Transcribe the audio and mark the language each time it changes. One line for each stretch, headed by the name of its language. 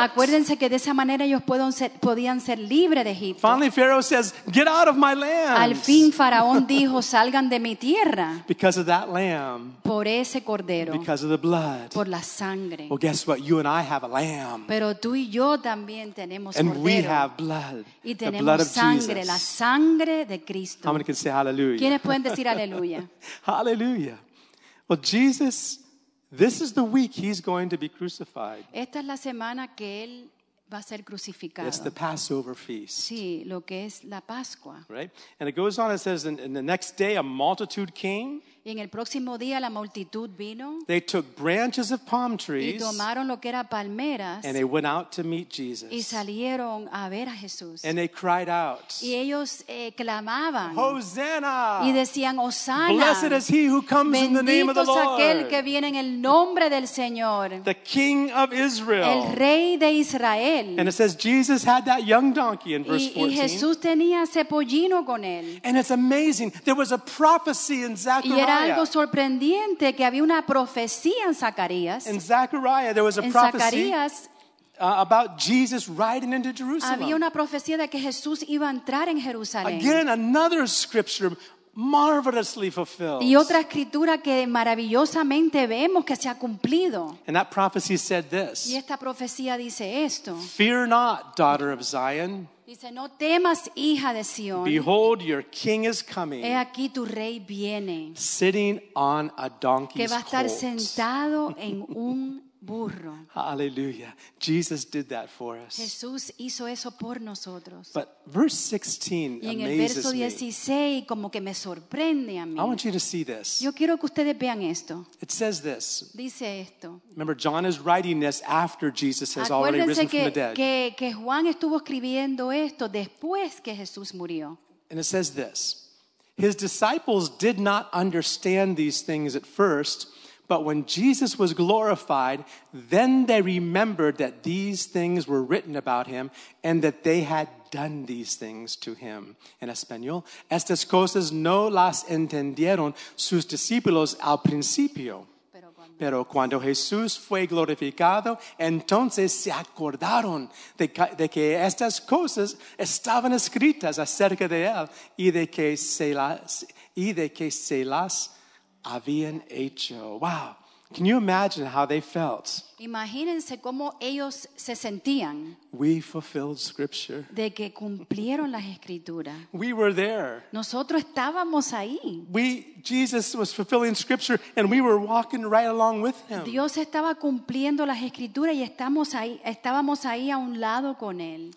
Spanish: Acuérdense que de esa manera ellos podían ser libres de Egipto.
English: Finally, Pharaoh says, "Get out of my land."
Spanish: Al fin Faraón dijo, "Salgan de mi tierra."
English: Because of that lamb.
Spanish: Por ese cordero.
English: Because of the blood.
Spanish: Por la sangre.
English: Well, guess what? You and I have a lamb.
Spanish: Pero tú y yo también tenemos
English: and
Spanish: cordero.
English: We have blood.
Spanish: Y tenemos
English: blood
Spanish: sangre, la sangre de Cristo.
English: How many can say hallelujah?
Spanish: ¿Quiénes pueden decir aleluya?
English: Hallelujah. Well, Jesus, this is the week he's going to be crucified.
Spanish: Esta es la semana que él va a ser crucificado.
English: It's the Passover feast.
Spanish: Sí, lo que es la Pascua.
English: Right? And it goes on, it says, "And the next day a multitude came."
Spanish: Y en el próximo día la multitud vino.
English: They took branches of palm trees.
Spanish: Y tomaron lo que era palmeras.
English: And they went out to meet Jesus.
Spanish: Y salieron a ver a Jesús.
English: And they cried out.
Spanish: Y ellos clamaban.
English: Hosanna!
Spanish: Y decían, Hosanna!
English: Blessed is he who comes
Spanish: bendito
English: in the name of the Lord.
Spanish: Bendito es aquel que viene en el nombre del Señor.
English: The King of Israel.
Spanish: El Rey de Israel.
English: And it says Jesus had that young donkey in verse 14.
Spanish: Y Jesús tenía ese pollino con él.
English: And it's amazing. There was a prophecy in Zechariah.
Spanish: Era algo sorprendente que había una profecía en Zacarías.
English: In Zechariah, there was a prophecy about Jesus riding into Jerusalem.
Spanish: Había una profecía de que Jesús iba a entrar en Jerusalén.
English: Again, another scripture marvelously fulfilled.
Spanish: Y otra escritura que maravillosamente vemos que se ha cumplido.
English: And that prophecy said this.
Spanish: Y esta profecía dice esto.
English: Fear not, daughter of Zion.
Spanish: Dice, no temas, hija de Sion.
English: Behold, your king is coming.
Spanish: He aquí tu rey viene.
English: Sitting on a donkey's colt.
Spanish: Que va a estar sentado en un burro.
English: Hallelujah. Jesus did that for us.
Spanish: Jesús hizo eso por nosotros.
English: But verse 16
Spanish: y en
English: amazes
Spanish: el verso 16
English: me.
Spanish: Como que me sorprende a mí.
English: I want you to see this.
Spanish: Yo quiero que ustedes vean esto.
English: It says this.
Spanish: Dice esto.
English: Remember, John is writing this after Jesus has already risen
Spanish: que,
English: from the dead.
Spanish: Que Juan estuvo escribiendo esto después que Jesús murió.
English: And it says this. His disciples did not understand these things at first, but when Jesus was glorified, then they remembered that these things were written about him and that they had done these things to him.
Spanish: En español, estas cosas no las entendieron sus discípulos al principio. Pero cuando Jesús fue glorificado, entonces se acordaron de que estas cosas estaban escritas acerca de él y de que se las habían hecho.
English: Wow. Can you imagine how they felt?
Spanish: Imagínense cómo ellos se sentían.
English: We fulfilled scripture.
Spanish: De que cumplieron las escrituras.
English: We were there.
Spanish: Nosotros estábamos ahí.
English: Jesus was fulfilling scripture and we were walking right along with him.
Spanish: Dios estaba cumpliendo las escrituras y estábamos ahí a un lado con él.